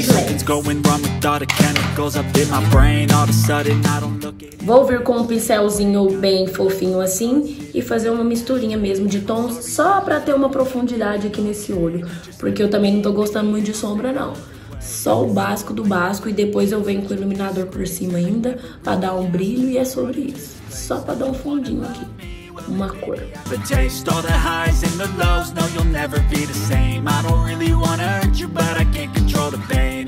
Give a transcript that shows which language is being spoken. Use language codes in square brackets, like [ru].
[en] Something's going wrong with all the chemicals up in my brain. All of a sudden, I don't look at... [pt] Vou vir com um pincelzinho bem fofinho assim e fazer uma misturinha mesmo de tons, só pra ter uma profundidade aqui nesse olho. Porque eu também não tô gostando muito de sombra, não. Só o básico do básico, e depois eu venho com o iluminador por cima ainda pra dar um brilho, e é sobre isso. Só pra dar um fundinho aqui. uma cor. [en] But taste all the highs and the lows, no, you'll never be the same. I don't really wanna hurt you, but I can't control the pain.